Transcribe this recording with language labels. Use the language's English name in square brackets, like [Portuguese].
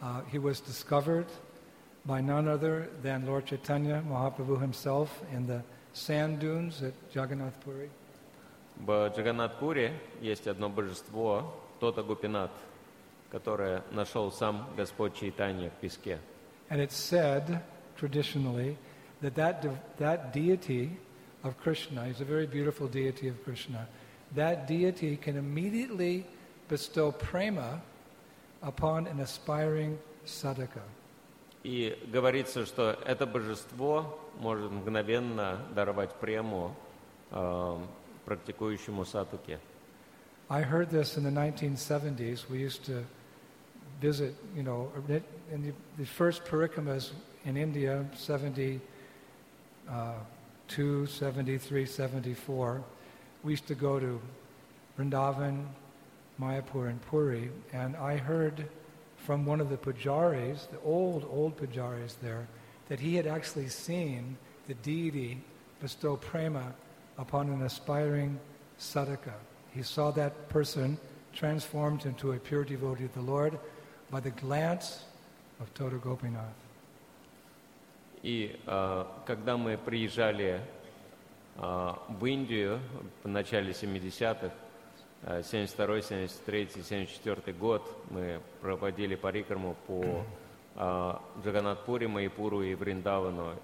[English] He was discovered by none other than Lord Chaitanya Mahaprabhu himself in the sand dunes at Jagannath Puri. [Russian] В Джаганнат Пури есть одно божество, Тота Гопинат, которое нашел сам Господь Чайтанья в песке. [English] And it's said traditionally that that deity of Krishna is a very beautiful deity of Krishna. That deity can immediately bestow prema upon an aspiring sadhaka. [Russian] И говорится, что это божество может мгновенно даровать прему практикующему сатаке. [English] I heard this in the 1970s. We used to visit, you know, in the first parikramas in India, 72, 73, 74. We used to go to Vrindavan, Mayapur, and Puri, and I heard from one of the pujaris, the old pujaris there, that he had actually seen the deity bestow prema upon an aspiring sadhaka. He saw that person transformed into a pure devotee of the Lord by the glance of Tota Gopinath. [Russian] И когда мы приезжали в Индию в начале 70-х, 72-й, 73-й, 74-й год, мы проводили парикраму по Джаганнатпури, Майпуру и Вриндавану.